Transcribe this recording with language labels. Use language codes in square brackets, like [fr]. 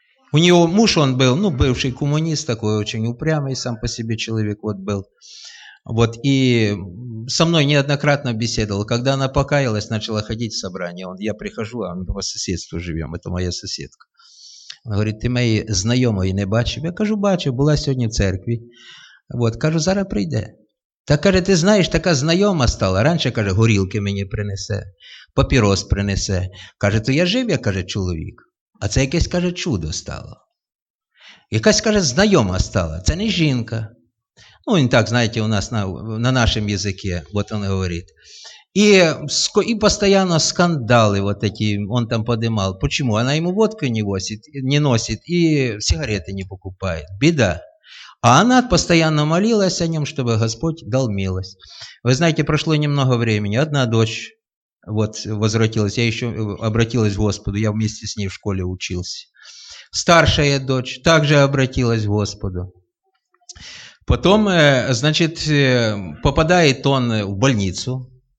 [ru] У нее муж, он был, ну, бывший коммунист такой, очень упрямый сам по себе человек вот был. Вот, и со мной неоднократно беседовал. Когда она покаялась, начала ходить в собрание. Я прихожу, а мы по соседству живем, это моя соседка. Она говорит, ты мои знакомые не бачив? [uk] Я кажу, бачу, [ru] была сегодня в церкви. [uk] Вот, кажу, зараз прийде. Так, каже, ти знаєш, така знайома стала. Раніше, каже, горілки мені принесе, папірос принесе. Каже, то я жив, я, каже, чоловік. А це якесь, каже, чудо стало. Якась, каже, знайома стала. Це не жінка. Ну, він так, знаєте, у нас на нашому язикі, от він говорить. І постійно скандали от такі, він там подимав. Чому? Вона йому водку не носить і сигарети не покупає. Біда. [ru] А она постоянно молилась о нем, чтобы Господь дал милость. Вы знаете, прошло немного времени. Одна дочь вот возвратилась. Я еще обратилась к Господу. Я вместе с ней в школе учился. Старшая дочь также обратилась к Господу. Потом, значит, попадает он в больницу.